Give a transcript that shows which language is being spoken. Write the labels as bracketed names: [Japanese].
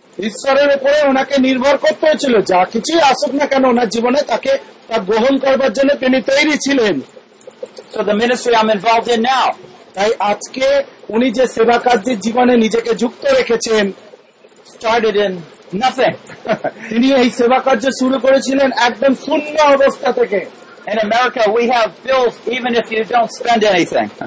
[Bangla] ঈশ্বরের উপরে ওনাকে নির্ভর করতে হয়েছিল, যা কিছুই আসুক না কেন ওনার জীবনে তাকে তা গ্রহণ করবার জন্য তিনি তৈরি ছিলেন। [English] So the ministry I'm involved in now. [Bangla] তাই আজকে উনি যে সেবা কার্যের জীবনে নিজেকে যুক্ত রেখেছেন, [English] started in nothing, [Bangla] তিনি এই সেবা কার্য শুরু করেছিলেন একদম শূন্য অবস্থা থেকে। [English] in America we have bills even if you don't spend anything,